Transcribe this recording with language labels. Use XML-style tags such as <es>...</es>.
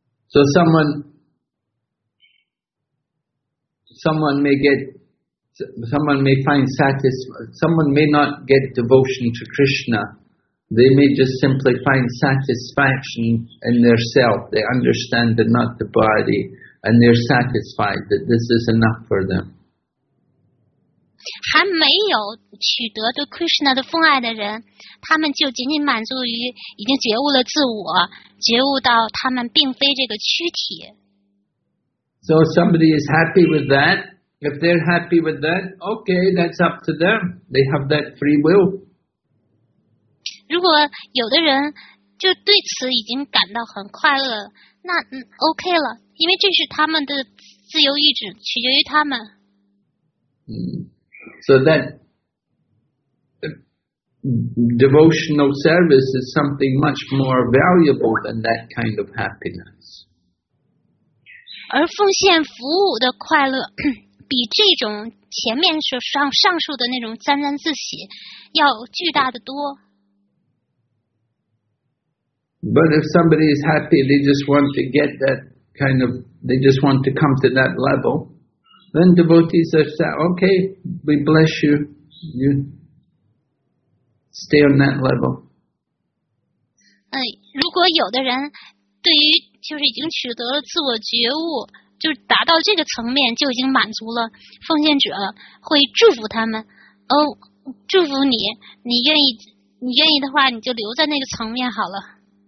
<en>So someone may not get devotion to Krishna. They may just simply find satisfaction in their self. They understand the not the body, and they're satisfied that this is enough for them.</en> <zh>还没有取得对 Krishna 的奉爱的人，他们就仅仅满足于已经觉悟了自我，觉悟到他们并非这个躯体。</zh> <en>So somebody is happy with that. If they're happy with that, okay, that's up to them. They have that free will.</en> <zh>如果有的人就对此已经感到很快乐，那OK 了，因为这是他们的自由意志，取决于他们。</zh> <en>So that devotional service is something much more valuable than that kind of happiness.</en> <zh>而奉献服务的快乐比这种前面所上述的那种沾沾自喜要巨大的多。</zh> <en>But if somebody is happy, they just want to get that kind of, they just want to come to that level, then devotees are saying, okay, we bless you, you stay on that level.</en> <zh>如果有的人对于就是已经取得了自我觉悟，就达到这个层面就已经满足了，奉献者会祝福他们，哦，祝福你，你愿意的话，你就留在那个层面好了。</zh>